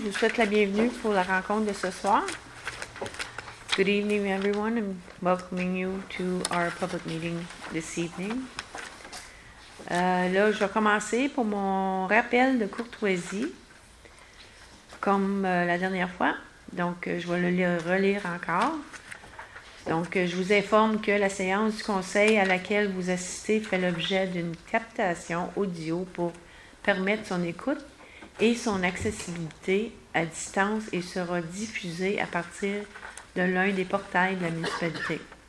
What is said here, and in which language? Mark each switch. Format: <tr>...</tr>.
<fr>Je vous souhaite la bienvenue pour la rencontre de ce soir.</fr> <en>Good evening, everyone. I'm welcoming you to our public meeting this evening.</en> <fr>Là, je vais commencer pour mon rappel de courtoisie, comme la dernière fois. Donc, je vais le relire encore. Donc, je vous informe que la séance du conseil à laquelle vous assistez fait l'objet d'une captation audio pour permettre son écoute et son accessibilité à distance et sera diffusée à partir de l'un des portails de la municipalité.</fr>